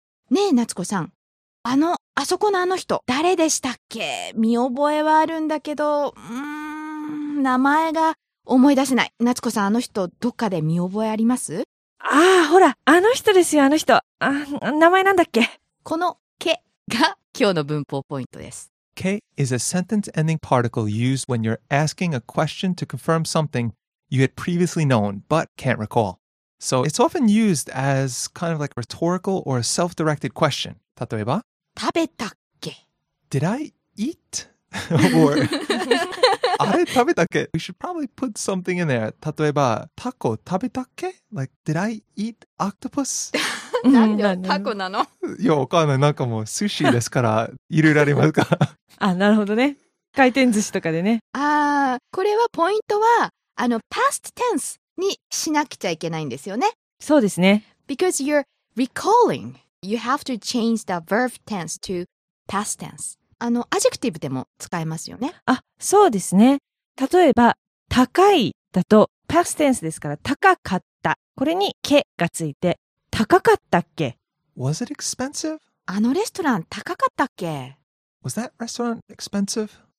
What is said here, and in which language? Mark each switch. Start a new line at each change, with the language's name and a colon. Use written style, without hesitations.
Japanese: ねえ夏子さん、あそこのあの人誰でしたっけ？見覚えはあるんだけど、名前が思い出せない。夏子さん、あの人どっかで見覚えあります？ああ、ほら、あの人ですよ、あの人。あ、名前なんだっけ？このけが今日の文法ポイントです。
English: け is a sentence ending particle used when you're asking a question to confirm something you had previously known but can't recallSo it's often used as kind of like a rhetorical or a self-directed question.
Japanese: 例えば、食べたっけ?
English: Did I eat? or,
Japanese: あれ食べたっけ?
English: We should probably put something in there.
Japanese: 例えば、タコ食べたっけ?
English: Like, did I eat octopus?
Japanese: なんでタコなの? いや、わかんない。なんかもう寿司ですから、いろいろありますか。あ、なるほどね。回転寿司とかでね。あー、これはポイントは、
English: past tense.
Japanese: にしなくちゃいけないんですよね。そうですね。
English: Because you're recalling, you have to change the verb tense to past tense.
Japanese: アジェクティブでも使えますよね。あ、そうですね。例えば、高いだと
English: past tense
Japanese: ですから、高かった。これにけがついて、高かったっけ?
English: Was it expensive?
Japanese: あのレストラン高かったっけ?
English: Was that restaurant expensive?